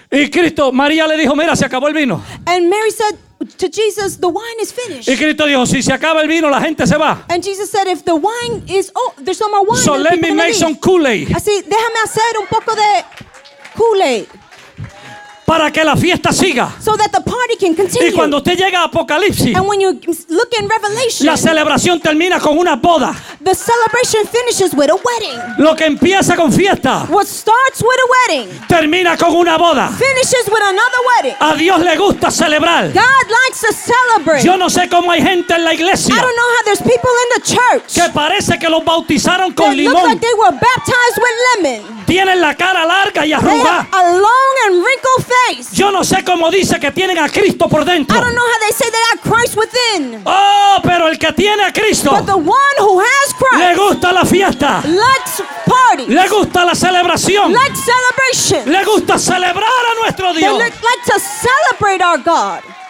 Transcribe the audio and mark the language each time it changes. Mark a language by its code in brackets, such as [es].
[es] Y Cristo, María le dijo, mira, se acabó el vino. [en] And Mary said to Jesus, the wine is finished. [es] Y Cristo dijo, si se acaba el vino, la gente se va. [en] And Jesus said, if the wine is, oh, there's no more wine. So let me make some Kool-Aid. [es] Así, déjame hacer un poco de Kool-Aid. Para que la fiesta siga. [en] So that the party can continue. [es] Y cuando usted llega a Apocalipsis, [en] and when you look in Revelation, [es] la celebración termina con una boda. [en] The celebration finishes with a wedding. [es] Lo que empieza con fiesta, [en] what starts with a wedding, [es] termina con una boda. [en] Finishes with another wedding. [es] A Dios le gusta celebrar. [en] God likes to celebrate. [es] Yo no sé cómo hay gente en la iglesia, [en] I don't know how there's people in the church, [es] que parece que los bautizaron con limón. [en] They look like they were baptized with lemon. [es] Tienen la cara larga y arrugada. [en] They have a long and wrinkled face. [es] Yo no sé cómo dice que tienen a Cristo por dentro. [en] I don't know how they say they have Christ within. [es] Oh, pero el que tiene a Cristo, [en] but the one who has Christ, [es] le gusta la fiesta. [en] Likes party. [es] Le gusta la celebración. [en] Likes celebration. [es] Le gusta celebrar a nuestro Dios. [en] They like to celebrate our God.